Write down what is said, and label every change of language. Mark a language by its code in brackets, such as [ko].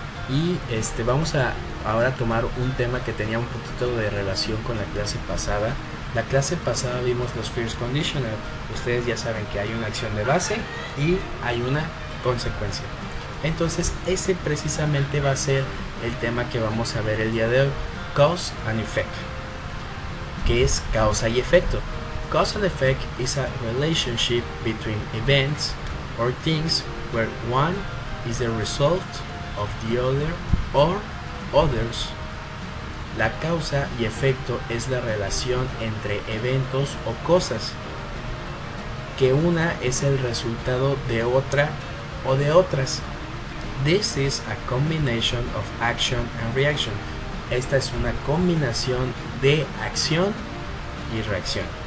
[es] Y vamos a ahora tomar un tema que tenía un poquito de relación con la clase pasada. La clase pasada vimos los first conditional. Ustedes ya saben que hay una acción de base y hay una consecuencia. Entonces ese precisamente va a ser el tema que vamos a ver el día de hoy. [en] Cause and effect. [es] ¿Qué es causa y efecto? [en] Cause and effect is a relationship between events or things where one is the result of the other or others. [es] La causa y efecto es la relación entre eventos o cosas, que una es el resultado de otra o de otras. [en] This is a combination of action and reaction. [es] Esta es una combinación de acción y reacción.